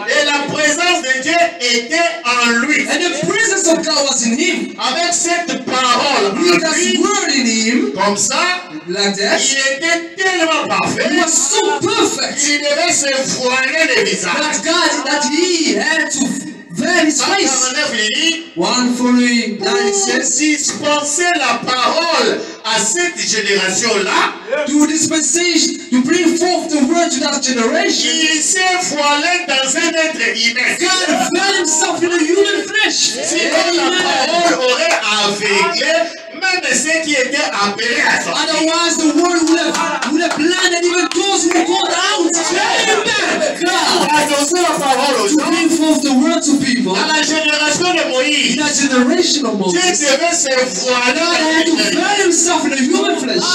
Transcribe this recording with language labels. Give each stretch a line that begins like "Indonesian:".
French: Et la présence de Dieu était en lui.
English: And the presence of God was in him.
French: Avec cette parole
English: with
French: en
English: that
French: lui.
English: Word in him.
French: Comme ça.
English: Like that.
French: Il était tellement parfait.
English: He was so perfect.
French: Il devait se voiler le visage.
English: That God, that he had to veil his face. 149 says.
French: Pour dispenser la parole à cette génération là.
English: To dispense, to bring forth the word to that generation.
French: Il s'est voilé dans un être humain.
English: God veiled himself in a human flesh.
French: Sinon la parole aurait aveuglé même ceux qui étaient appelés à sortir.
English: Otherwise the word would have blinded even those who called out. To bring forth the word to people.
French: À la génération de Moïse.
English: In that generation of Moses.
French: Dieu devait se voiler.
English: God had to veil himself in the human flesh.